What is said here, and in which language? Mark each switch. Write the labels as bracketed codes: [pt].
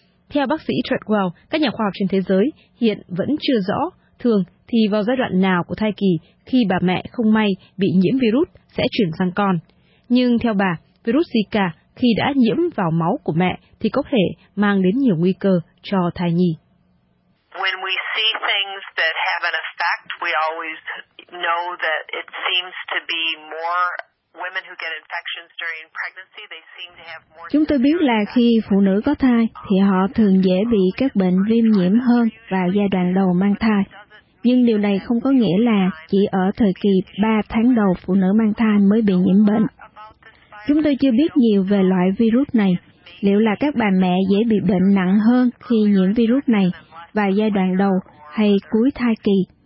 [vi] Theo bác sĩ Treadwell, các nhà khoa học trên thế giới hiện vẫn chưa rõ, thường thì vào giai đoạn nào của thai kỳ khi bà mẹ không may bị nhiễm virus sẽ chuyển sang con. Nhưng theo bà, virus Zika khi đã nhiễm vào máu của mẹ thì có thể mang đến nhiều nguy cơ cho thai nhi. [en] When we see things that have an effect, we always know that it seems to be more women who get infections during pregnancy, they seem to have more. [vi] Chúng tôi biết là khi phụ nữ có thai thì họ thường dễ bị các bệnh viêm nhiễm hơn vào giai đoạn đầu mang thai. Nhưng điều này không có nghĩa là chỉ ở thời kỳ 3 tháng đầu phụ nữ mang thai mới bị nhiễm bệnh. Chúng tôi chưa biết nhiều về loại virus này, liệu là các bà mẹ dễ bị bệnh nặng hơn khi nhiễm virus này vào giai đoạn đầu hay cuối thai kỳ.